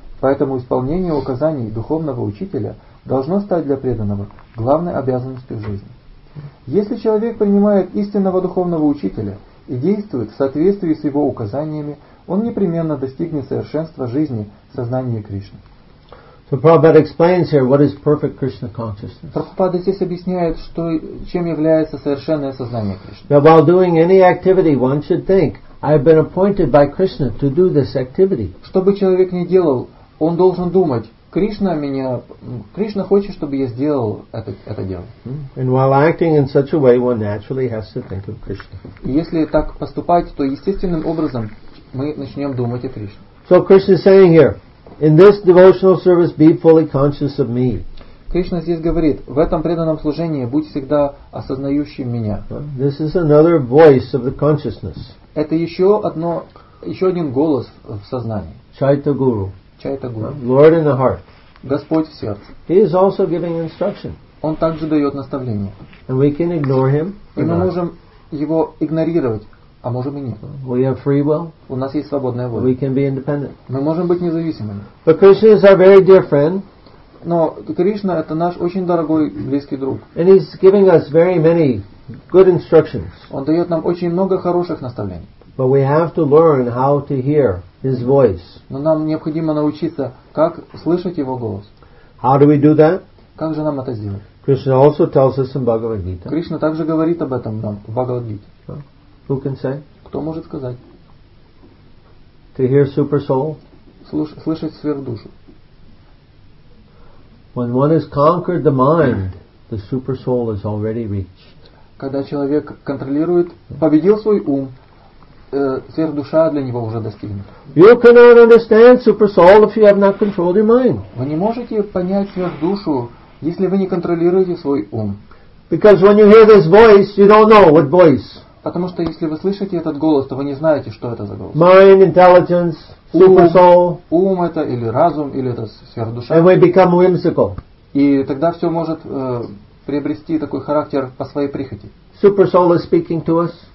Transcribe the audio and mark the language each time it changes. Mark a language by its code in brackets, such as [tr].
[ru] Поэтому исполнение указаний духовного учителя должно стать для преданного главной обязанностью в жизни. Если человек принимает истинного духовного учителя и действует в соответствии с его указаниями, он непременно достигнет совершенства жизни в сознании Кришны. [en] So Prabhupada explains here what is perfect Krishna consciousness. [ru] Прабхупада здесь объясняет, что чем является совершенное сознание Кришны. [en] Now while doing any activity, one should think, I have been appointed by Krishna to do this activity. [ru] Что бы человек ни делал, он должен думать, Кришна хочет, чтобы я сделал это дело. [en] And while acting in such a way, one naturally has to think of Krishna. [ru] И если так поступать, то естественным образом мы начнем думать о Кришне. [en] So Krishna is saying here, in this devotional service, be fully conscious of me. [ru] Кришна здесь говорит, в этом преданном служении будь всегда осознающим меня. [en] This is another voice of the consciousness. [ru] Это еще один голос в сознании. [en] Чайта-гуру. Lord in the heart. [ru] Господь в сердце. [en] He is also giving instruction. [ru] Он также дает наставление. [en] And we can ignore him. [ru] И мы можем его игнорировать. А можем и нет. [en] We have free will. [ru] У нас есть свободная воля. [en] We can be independent. [ru] Мы можем быть независимыми. [en] But Krishna is our very dear friend. [ru] Но Кришна — это наш очень дорогой близкий друг. [en] And he's giving us very many good instructions. [ru] Он дает нам очень много хороших наставлений. [en] But we have to learn how to hear his voice. [ru] Но нам необходимо научиться, как слышать его голос. [en] How do we do that? [ru] Как же нам это сделать? [en] Krishna also tells us in Bhagavad Gita. [ru] Кришна также говорит об этом нам в Бхагавад Гите. [en] Who can say? [ru] Кто может сказать? [en] To hear super soul? [ru] Слышать сверхдушу. [en] When one has conquered the mind, the super soul is already reached. [ru] Когда человек контролирует, победил свой ум, сверхдуша для него уже достигнута. [en] You cannot understand super soul if you have not controlled your mind. [ru] Вы не можете понять сверхдушу, если вы не контролируете свой ум. [en] Because when you hear this voice, you don't know what voice. [ru] Потому что если вы слышите этот голос, то вы не знаете, что это за голос. [en] Mind, intelligence, super soul. [ru] Ум это, или разум, или это сверхдуша. [en] And we become whimsical. [ru] И тогда все может приобрести такой характер по своей прихоти. [en] Super soul is speaking to us.